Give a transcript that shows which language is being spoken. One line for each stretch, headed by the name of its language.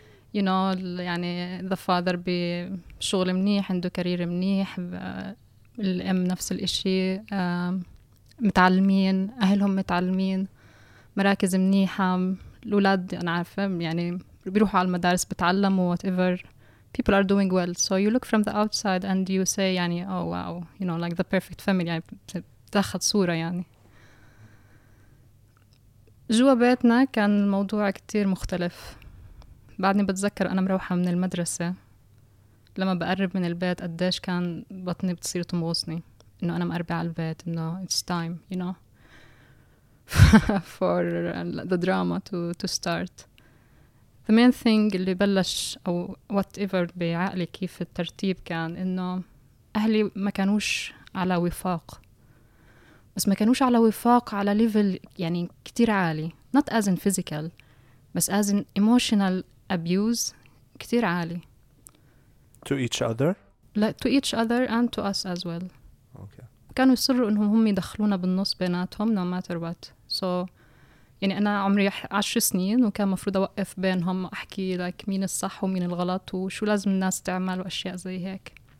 English: You know,
Arabic: يعني
English: the father be
Arabic: شغل منيح, عنده كارير منيح, الام نفس الاشي, متعلمين, اهلهم متعلمين, مراكز منيحة, الولاد انا عارفة يعني بيروحوا على المدارس بتعلموا whatever.
English: People are doing well. So you look from the outside and you say, يعني, oh wow, you know, like the perfect family.
Arabic: يعني تاخد صورة يعني. جوا بيتنا كان الموضوع كتير مختلف. بعدني بتذكر أنا مروحة من المدرسة لما بقرب من البيت قديش كان بطني بتصير تمغصني إنه أنا مقربة على البيت إنه
English: it's time, you know, for the drama to start. The main thing
Arabic: اللي بلش أو whatever بعقلي كيف الترتيب كان إنه أهلي ما كانوش على وفاق, بس ما كانوش على وفاق على ليفل يعني كتير عالي,
English: not as in physical
Arabic: بس
English: as in emotional abuse
Arabic: كتير عالي.
English: To each other? Like to each other and to us as well. Okay.
Arabic: كانوا يصروا انهم هم يدخلونا بالنص بيناتهم
English: no matter what.
Arabic: So يعني انا عمري 10 سنين وكان مفروض اوقف بينهم احكي like مين الصح ومين الغلط وشو لازم الناس تعمل واشياء زي هيك.